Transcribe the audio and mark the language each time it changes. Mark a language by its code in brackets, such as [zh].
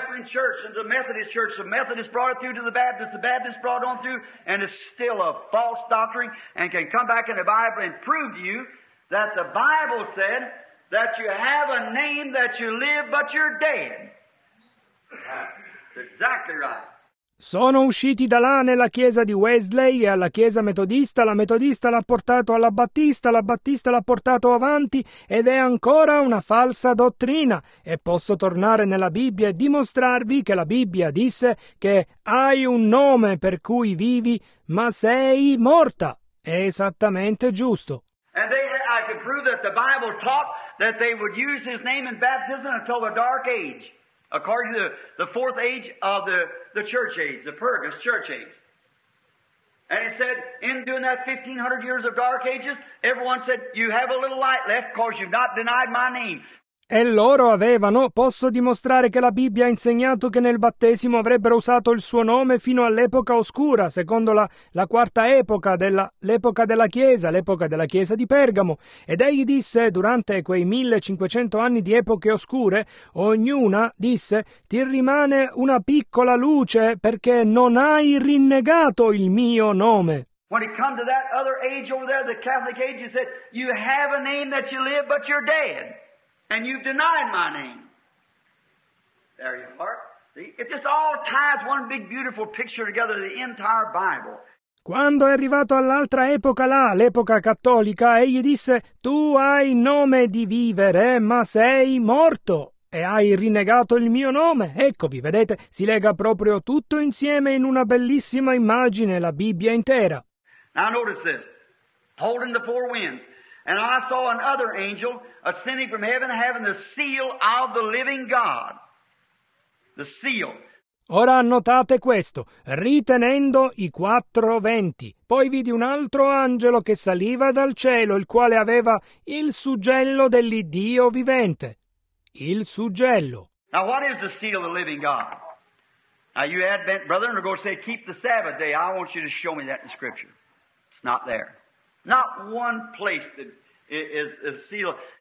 [en] Church and the Methodist Church. The Methodist brought it through to the Baptist. The Baptist brought on through, and it's still a false doctrine. And can come back in the Bible and prove to you that the Bible said that you have a name, that you live, but you're dead. That's exactly right. [it] Sono usciti da là nella chiesa di Wesley e alla chiesa metodista, la metodista l'ha portato alla battista, la battista l'ha portato avanti ed è ancora una falsa dottrina. E posso tornare nella Bibbia e dimostrarvi che la Bibbia disse che hai un nome per cui vivi, ma sei morta. È esattamente giusto. [en] And they, I could prove that the Bible taught that they would use his name in baptism until the dark age. According to the fourth age of the church age, the Pergamus church age. And it said, in doing that 1500 years of dark ages, everyone said, you have a little light left because you've not denied my name. [it] E loro avevano, posso dimostrare che la Bibbia ha insegnato che nel battesimo avrebbero usato il suo nome fino all'epoca oscura, secondo la quarta epoca, l'epoca della Chiesa, l'epoca della Chiesa di Pergamo. Ed egli disse, durante quei 1500 anni di epoche oscure, ognuna disse, ti rimane una piccola luce perché non hai rinnegato il mio nome. [en] When it come to that other age over there, the Catholic age, you said, you have a name that you live, but you're dead. And you've denied my name. There you are. See? It just all ties one big beautiful picture together, the entire Bible. [it] Quando è arrivato all'altra epoca là, l'epoca cattolica, egli disse, tu hai nome di vivere, ma sei morto. E hai rinnegato il mio nome. Eccovi, vedete, si lega proprio tutto insieme in una bellissima immagine, la Bibbia intera. [en] Now notice this. Holding the four winds. And I saw another angel ascending from heaven, having the seal of the living God. The seal. [it] Ora notate questo, ritenendo i quattro venti. Poi vidi un altro angelo che saliva dal cielo, il quale aveva il suggello dell'Iddio vivente. Il suggello. [en] Now what is the seal of the living God? Now you Advent brethren are going to say, keep the Sabbath day. I want you to show me that in Scripture. It's not there. Not one place that is sealed.